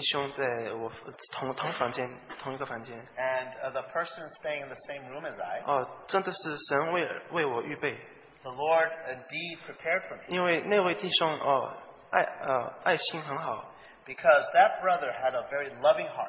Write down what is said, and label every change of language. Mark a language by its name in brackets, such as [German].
[Chinese] 跟我住的那位弟兄在我同房间，同一个房间。 [English] And the person staying in the same room as I, [Chinese] 真的是神为我预备。 [English] The Lord indeed prepared for me. [Chinese] 因为那位弟兄，爱心很好。 [English] Because that brother had a very loving heart.